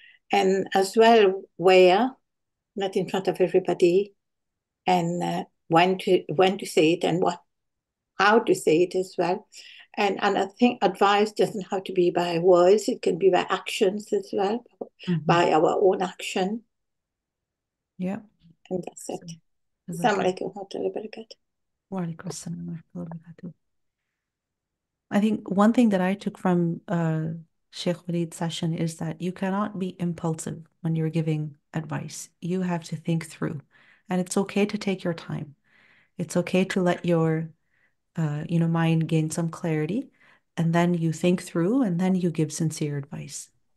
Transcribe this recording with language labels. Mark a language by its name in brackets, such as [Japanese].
[English] And as well, where, not in front of everybody, and when to say it, and what, how to say it as well. And I think advice doesn't have to be by words; it can be by actions as well, by our own action. And that's it. [Arabic] السلام جزاك عليكم ورحمة الله وبركاته. وعليكم السلام ورحمة الله وبركاته. [English] I think one thing that I took from Sheikh Waleed's session is that you cannot be impulsive when you're giving advice. You have to think through. And it's okay to take your time. It's okay to let your mind gain some clarity, and then you think through, and then you give sincere advice.